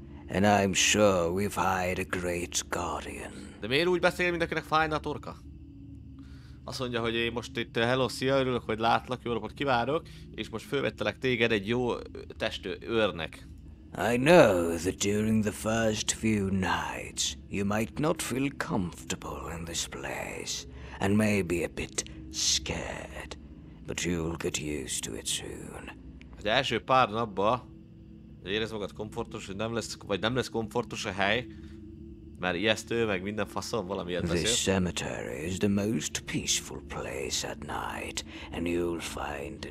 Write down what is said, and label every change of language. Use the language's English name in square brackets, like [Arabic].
[English] And I'm sure we've hired a great guardian. [Hungarian] De miért úgy beszél, mint akinek fájna a torka? Azt mondja, hogy én most itt hello, szia, örülök, hogy látlak, jó napot kívánok, és most fölvettelek téged egy jó testő őrnek. [English] I know that during the first few nights, you might not feel comfortable in this place, and may be a bit scared, but you'll get used to it soon. [Hungarian] Az első pár napban érezd magad komfortos, hogy nem lesz, vagy nem lesz komfortos a hely, mert ijesztő, meg minden faszon valamiért beszél. [English] This cemetery is the most peaceful place at night, and you'll find an